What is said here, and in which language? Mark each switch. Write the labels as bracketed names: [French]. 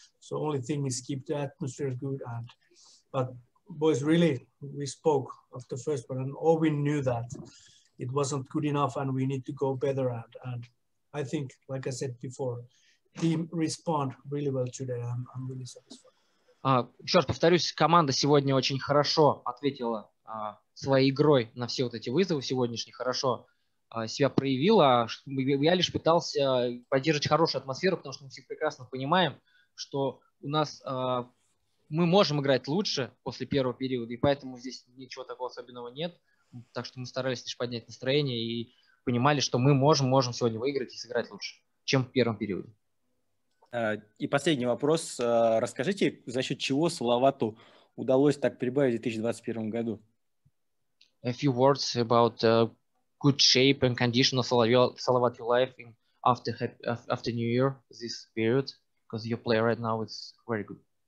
[English] So only thing is keep the atmosphere good. And but boys, really, we spoke of the first one, and all we knew that it wasn't good enough, and we need to go better. And I think, like I said before, team respond really well today. I'm really satisfied. [Russian] Еще раз повторюсь, команда сегодня очень хорошо ответила своей игрой на все вот эти вызовы сегодняшние, хорошо себя проявила. Я лишь пытался поддерживать хорошую атмосферу, потому что мы все прекрасно понимаем, что у нас мы можем играть лучше после первого периода, и поэтому здесь ничего такого особенного нет. Так что мы старались лишь поднять настроение и понимали, что мы можем сегодня выиграть и сыграть лучше, чем в первом периоде. И последний вопрос. Расскажите, за счет чего Салавату удалось так прибавить в 2021 году? [English] A few words about good shape and condition of Salavat Yulaev in after New Year this period, because your play right now is very good.